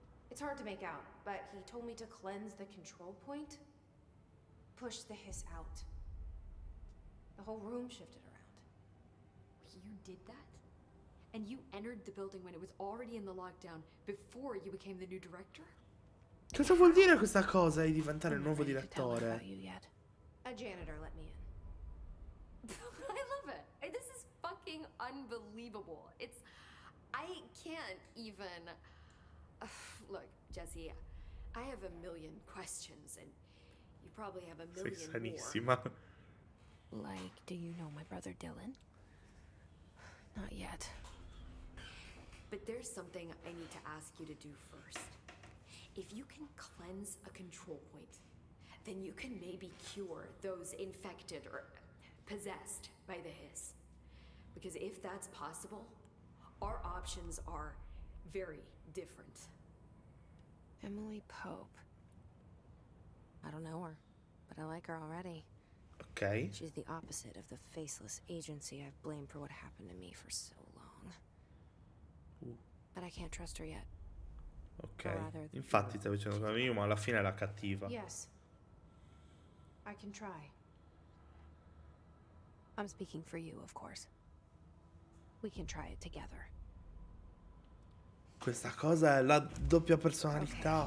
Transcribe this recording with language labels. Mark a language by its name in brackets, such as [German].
[English] It's hard to make out, but he told me to cleanse the control point, push the hiss out. The whole room shifted around. You did that? And you entered the building when it was already in the lockdown, before you became the new director? [Italian] Cosa vuol dire questa cosa di diventare il nuovo direttore? [English] A janitor let me in. I love it. This is fucking unbelievable. It's... I can't even... look, Jesse, I have a million questions, and you probably have a million more. [Italian] Sei sanissima. [English] Like, do you know my brother Dylan? Not yet. But there's something I need to ask you to do first. If you can cleanse a control point, then you can maybe cure those infected or possessed by the hiss. Because if that's possible, our options are very different. Emily Pope. I don't know her, but I like her already. Okay. She's the opposite of the faceless agency I've blamed for what happened to me for so long. But I can't trust her yet. Okay. [Italian] Infatti stavo dicendo come io, ma alla fine è la cattiva. [English] Yes. I can try. I'm speaking for you, of course. We can try it together. [Italian] Questa cosa è la doppia personalità.